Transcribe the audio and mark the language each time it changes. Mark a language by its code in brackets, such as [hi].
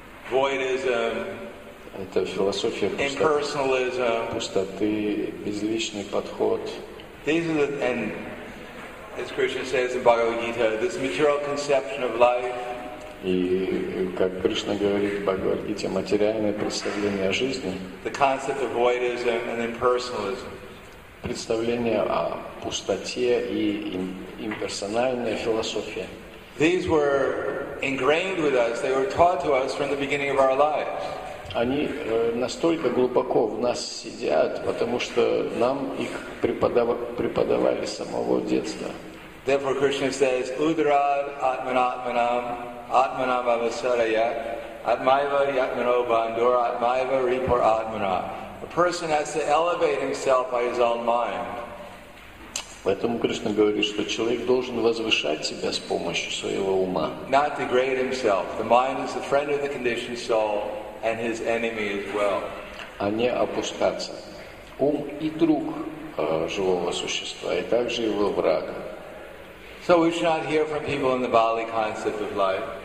[en] Voidism. [ru] Это философия пустоты, безличный подход. [en] And as Krishna says in Bhagavad Gita, this material conception of life. [ru] И как Кришна говорит в Бхагавад Гите, материальное представление о жизни. [en] The concept of voidism and impersonalism. [ru] Представление о пустоте и имперсональная философия. [en] These were ingrained with us. They were taught to us from the beginning of our lives. [ru] Они настолько глубоко в нас сидят, потому что нам их преподавали с самого детства. [en] Therefore, Krishna says, [sa] "Udra atmanatmanam, atmanam avasaraya, atmaiva yatmano bandura, atmaiva ripur atmana." [en] A person has to elevate himself by his own mind. [ru] Поэтому Кришна говорит, что человек должен возвышать себя с помощью своего ума. [en] Not degrade himself. The mind is the friend of the conditioned soul. And his enemy as well. [ru] А не опускаться. Ум и друг живого существа, и также его враг. [en] So we should not hear from people in the Bali concept of life.